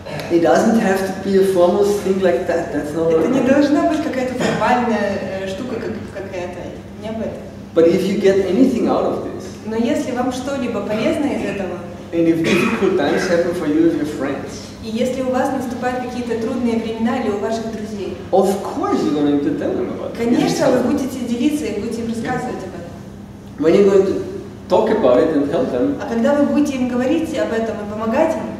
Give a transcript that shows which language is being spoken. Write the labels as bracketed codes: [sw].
[en] It doesn't have to be a formal thing like that. That's not. [ru] Это не должна быть какая-то формальная штука, какая-то. Не об этом. [en] But if you get anything out of this. [ru] Но если вам что-либо полезно из этого. [en] And if difficult times happen for you and your friends. [ru] И если у вас наступают какие-то трудные времена или у ваших друзей. [en] Of course you're going to tell them about it. [ru] Конечно, вы будете делиться и будете им рассказывать об этом. [en] When you're going to talk about it and help them. [ru] А когда вы будете им говорить об этом и помогать им.